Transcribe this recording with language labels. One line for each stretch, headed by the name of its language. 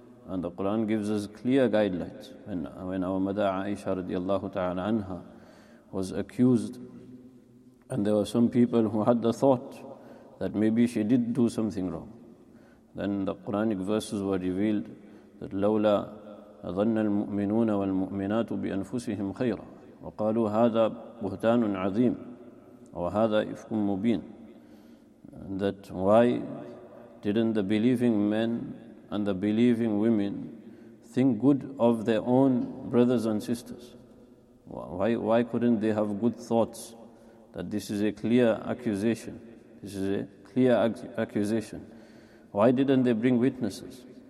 English: And the Quran gives us clear guidelines. When our mother Aisha radiallahu ta'ala anha was accused, and there were some people who had the thought that maybe she did do something wrong, then the Quranic verses were revealed that لَوْلَا
Arabic: ظن المؤمنون والمؤمنات بأنفسهم خيرا وقالوا هذا بهتان عظيم وهذا إفك مبين.
English: That why didn't the believing men and the believing women think good of their own brothers and sisters? Why couldn't they have good thoughts that this is a clear accusation? This is a clear accusation. Why didn't they bring witnesses?